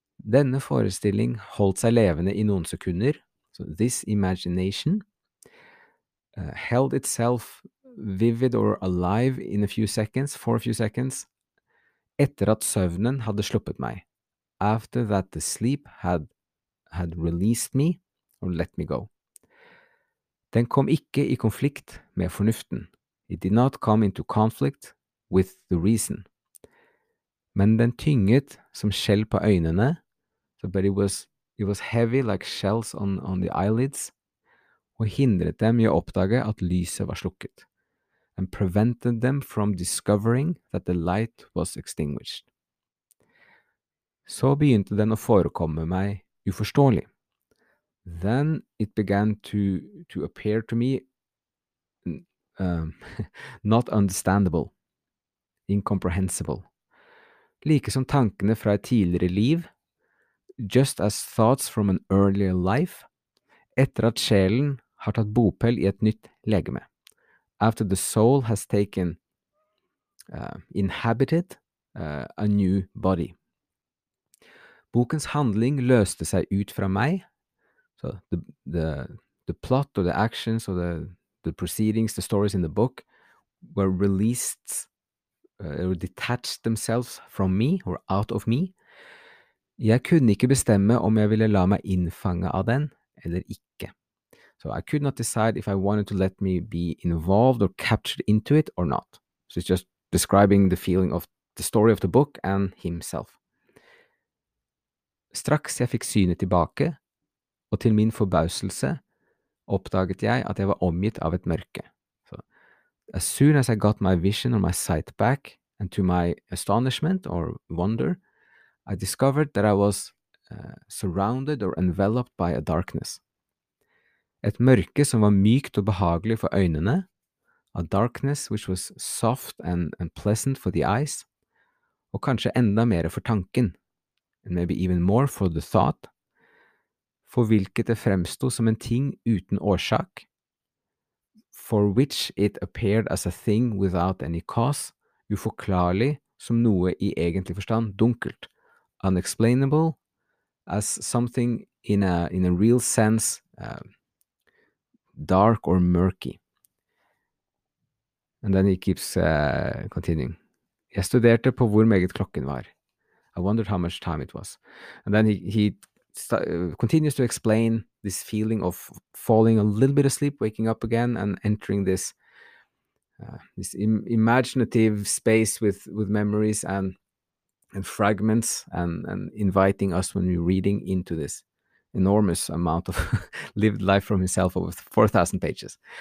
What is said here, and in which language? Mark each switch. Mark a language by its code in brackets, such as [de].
[no] Denne forestilling holdt seg levende I noen sekunder. [en] So this imagination held itself vivid or alive in a few seconds, for a few seconds, [no] etter at søvnen hadde sluppet meg. [en] After that the sleep had released me or let me go. [no] Den kom ikke I konflikt med fornuften. [en] It did not come into conflict with the reason. [no] Men den tynget som skjell på øynene. [en] So, but it was heavy like shells on the eyelids, [no] og hindret dem I å oppdage at lyset var slukket, [en] and prevented them from discovering that the light was extinguished. [no] Så begynte den å forekomme meg uforståelig. [en] Then it began to appear to me not understandable, incomprehensible. [no] Like som tankene fra et tidligere liv, [en] just as thoughts from an earlier life, [no] etter at sjelen har tatt bopel I et nytt legeme. [en] After the soul has taken, inhabited, a new body. [no] Bokens handling løste seg ut fra meg. [en] So the plot or the actions or the proceedings, the stories in the book were released or detached themselves from me or out of me. [no] Jeg kunne ikke bestemme om jeg ville la meg innfange av den eller ikke. [en] So I could not decide if I wanted to let me be involved or captured into it or not. So it's just describing the feeling of the story of the book and himself. [no] Straks jeg fikk synet tilbake, og til min forbauselse oppdaget jeg at jeg var omgitt av et mørke. [en] So, as soon as I got my vision or my sight back, and to my astonishment or wonder, I discovered that I was surrounded or enveloped by a darkness. [no] Et mørke som var mykt og behagelig for øynene, [en] a darkness which was soft and pleasant for the eyes, [no] og kanskje enda mer for tanken, [en] and maybe even more for the thought, [no] for hvilket det fremstod som en ting uten årsak, [en] for which it appeared as a thing without any cause, [no] uforklarlig som noe I egentlig forstand dunkelt, [en] unexplainable as something in a real sense, dark or murky. And then he keeps continuing. [no] Jeg studerte på hvor meget klokken var. [en] I wondered how much time it was. And then he continues to explain this feeling of falling a little bit asleep, waking up again, and entering this imaginative space with memories and fragments, and inviting us when we're reading into this enormous amount of lived life from himself over 4,000 pages.